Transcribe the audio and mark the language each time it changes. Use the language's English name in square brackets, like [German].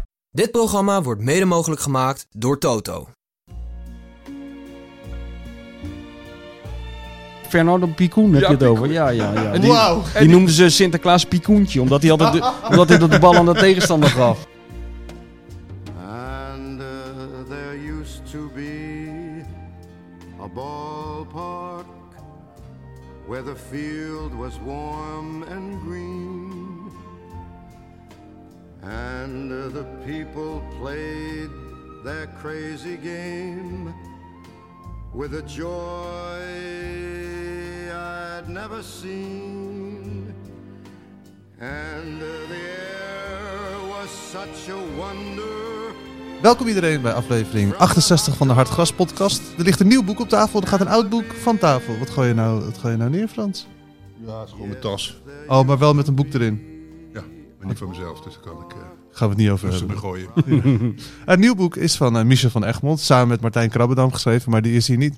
[Dutch] Dit programma wordt mede mogelijk gemaakt door Toto. Fernando Picoen heb je het over. Ja, ja, ja. Die, wow. Die noemden ze Sinterklaas Picoentje, omdat hij altijd omdat hij de bal aan de tegenstander gaf. [English] And there used to be a ballpark where the field was warm and green. And the people played their crazy game with a joy I'd never seen. And the air was such a wonder. [Dutch] Welkom iedereen bij aflevering 68 van de Hartgras podcast. Er ligt een nieuw boek op tafel, er gaat een oud boek van tafel. Wat gooi je nou neer, Frans? Ja, het is gewoon mijn tas. Oh, maar wel met een boek erin. Ja, maar niet van mezelf, dus kan ik... Gaan we het niet over hebben. Me gooien. Het nieuw boek is van Michel van Egmond, samen met Martijn Krabbedam geschreven, maar die is hier niet.